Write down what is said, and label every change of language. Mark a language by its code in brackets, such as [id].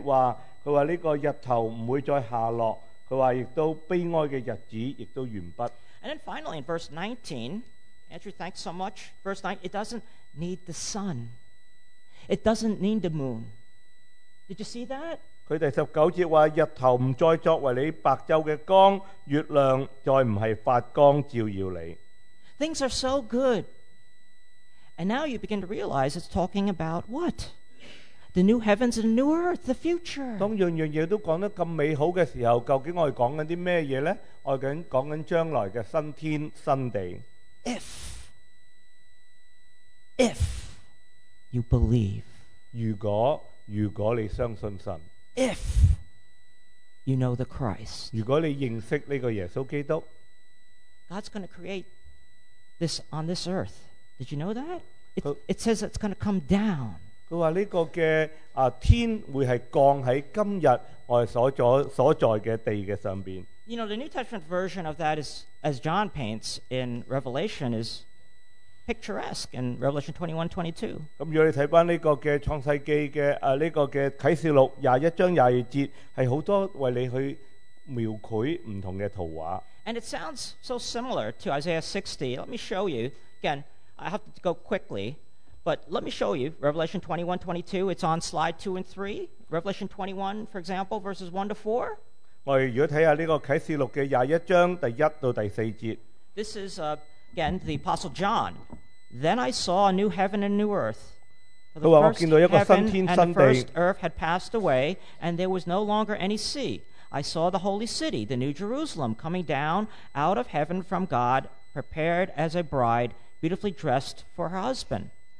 [zh] 可能在今天我们在座之中有人在哀哭的时候第20节说他说这个日头不会再下落。他说也都悲哀的日子也都完毕。 [en] And then finally in verse 19, Andrew, thanks so much. Verse 9, it doesn't need the sun. It doesn't need the moon. Did you see that? [zh] 他第19节说日头不再作为你白昼的光月亮再不是发光照耀你。 [en] Things are so good. And now you begin to realize it's talking about what? The new heavens and the new earth, the future. [zh] 当样样东西都讲得这么美好的时候，究竟我们讲的什么呢? 我们讲的将来的新天新地。 [en] If you believe. [zh] 如果你相信神， [en] if you know the Christ， [zh] 如果你认识这个耶稣基督， [en] God's going to create this on this earth. Did you know that? It says it's going to come down. [zh] 他说这个的天会是降在今日我们所在的地的上面。 [en] You know, the New Testament version of that is, as John paints in Revelation, is picturesque in Revelation 21:22. [zh] 如果你看这个的创世纪的这个的启示录21章22节，是很多为你去描绘不同的图画。 [en] And it sounds so similar to Isaiah 60. Let me show you. Again, I have to go quickly, but let me show you Revelation 21:22. It's on slide 2 and 3. Revelation 21, for example, verses 1 to 4. [zh] 我们如果看看这个启示录的21章第一到第四节。 [en] This is, again, the Apostle John. Then I saw a new heaven and new earth. The first heaven and the first earth had passed away, and there was no longer any sea. I saw the holy city, the new Jerusalem, coming down out of heaven from God, prepared as a bride, beautifully dressed for her husband.